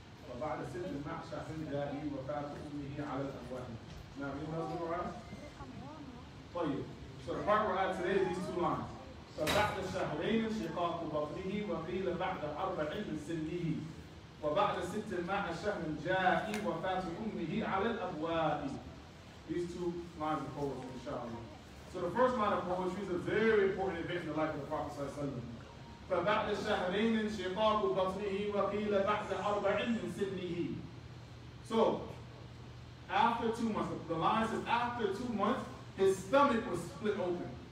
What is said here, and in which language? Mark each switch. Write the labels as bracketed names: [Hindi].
[Arabic] وبعد سن المعشى في الجاري وفاة أمه على الأبواب. [English] Now you have the right. [Arabic] طيب. [English] So the part we're at today is these two lines. [Arabic] فبعد شهرين انشقاق بطنه وقيل بعد أربع من سنه وبعد ست المعشى في الجاري وفاة أمه على الأبواب. [English] These two lines of poetry, inshallah. So the first line of poetry is a very important event in the life of the Prophet [Arabic] فبعد شهرين انشقاق بطنه وقيل بعد أربع من سنه. [English] So, after 2 months, the line says after 2 months, his stomach was split open.